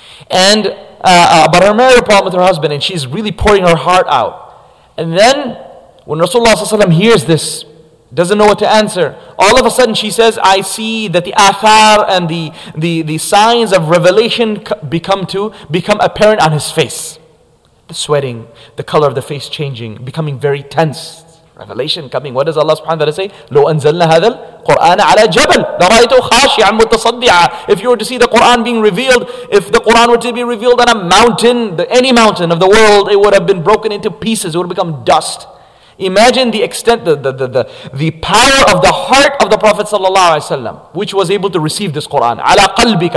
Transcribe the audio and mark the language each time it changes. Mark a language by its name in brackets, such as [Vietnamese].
[English] And about her marital problem with her husband, and she's really pouring her heart out. And then when Rasulullah ﷺ hears this, doesn't know what to answer. All of a sudden she says, I see that the athar and the signs of revelation become apparent on his face. The sweating, the color of the face changing, becoming very tense. Revelation coming. What does Allah subhanahu wa ta'ala say? [Arabic] لو أنزلنا هذا القرآن على جبل لرأيته خاشعا متصدعا. [English] If you were to see the Quran being revealed, if the Quran were to be revealed on a mountain, any mountain of the world, it would have been broken into pieces. It would have become dust. Imagine the extent, the power of the heart of the Prophet sallallahu alaihi wasallam, which was able to receive this Quran. [Arabic] على قلبك.